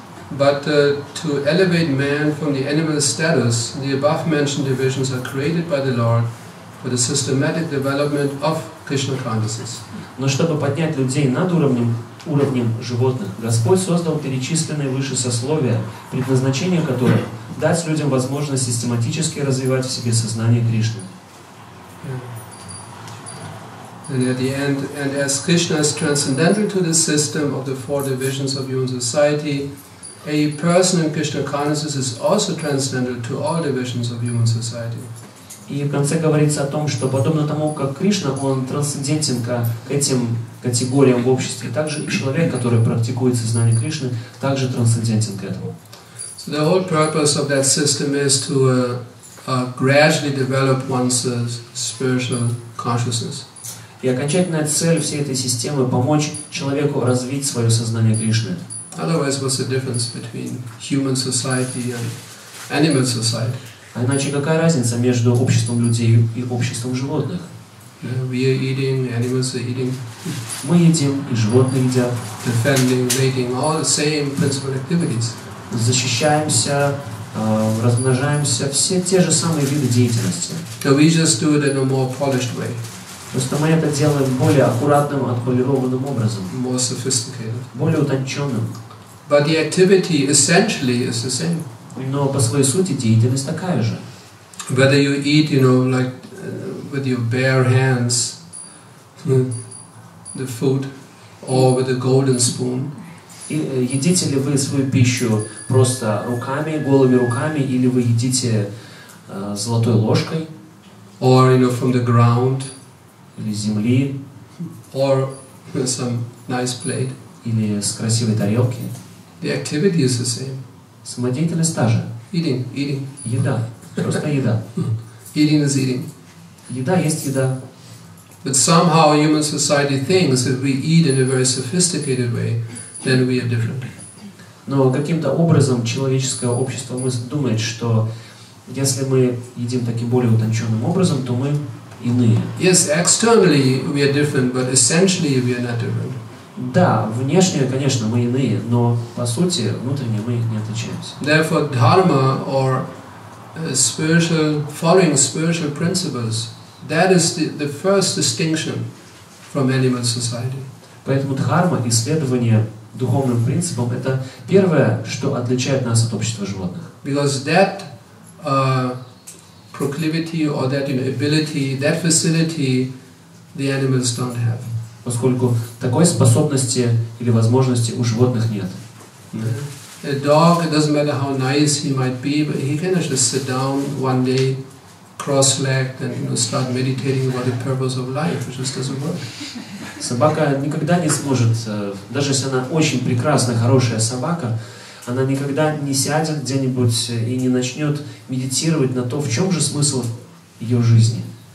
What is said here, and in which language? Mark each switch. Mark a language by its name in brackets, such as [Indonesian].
[English] But to elevate man from the animal status, the above mentioned divisions are created by the Lord for the systematic development of Krishna consciousness. [Russian] Но чтобы поднять людей над уровнем животных, Господь создал перечисленные выше сословия, предназначение которых — дать людям возможность систематически развивать в себе сознание Кришны. [English] And at the end, and as Krishna is transcendental to the system of the four divisions of human society, a person in Krishna consciousness is also transcendental to all divisions of human society. [Russian] И в конце говорится о том, что подобно тому, как Кришна, он трансцендентен к этим категориям в обществе, также и человек, который практикует сознание Кришны, также трансцендентен к этому. [English] So the whole purpose of that system is to gradually develop one's spiritual consciousness. [Russian] И окончательная цель всей этой системы — помочь человеку развить свое сознание Кришны. [English] Otherwise, what's the difference between human society and animal society? [Russian] А иначе какая разница между обществом людей и обществом животных? [English] We are eating, animals are eating. [Russian] Мы едим, и животные едят. [English] Defending, mating, all the same principal activities. [Russian] Защищаемся, размножаемся, все те же самые виды деятельности. [English] So we just do it in a more polished way. [Russian] Просто мы это делаем более аккуратным, отполированным образом. [English] More sophisticated. [Russian] Более утонченным. [English] But the activity essentially is the same. [Russian] Но по своей сути деятельность такая же. [English] Whether you eat, you know, like with your bare hands, the food, or with a golden spoon. [Russian] И едите ли вы свою пищу просто руками, голыми руками, или вы едите золотой ложкой? [English] Or, you know, from the ground. [Russian] Или земли, [English] or some nice plate. [Russian] Или с красивой тарелки. [English] The activity is the same. [Russian] Самодеятельность та же. [English] Eating, eating. [Russian] Еда. Просто еда. [English] Eating is eating. [Russian] Еда есть еда. [English] But somehow human society thinks if we eat in a very sophisticated way, then we are different. [Russian] Но каким-то образом человеческое общество думает, что если мы едим таким более утонченным образом, то мы иные. [English] Yes, externally we are different, but essentially we are not different. [Russian] Да, внешне, конечно, мы иные, но по сути внутренне мы не отличаемся. [English] Therefore, dharma or spiritual following spiritual principles, that is the first distinction from animal society. [Russian] Поэтому дхарма, исследование духовным принципам, это первое, что отличает нас от общества животных. [English] Because that proclivity or that, you know, ability, that facility, the animals don't have. [Russian] Поскольку такой способности или возможности у животных нет. [English] A dog, it doesn't matter how nice he might be, but he cannot just sit down one day, cross-legged, and, you know, start meditating about the purpose of life. It just doesn't work. [Russian] Собака никогда не сможет, даже если она очень прекрасная, хорошая собака, она никогда не сядет где-нибудь и не начнет медитировать на то, в чем же смысл ее жизни.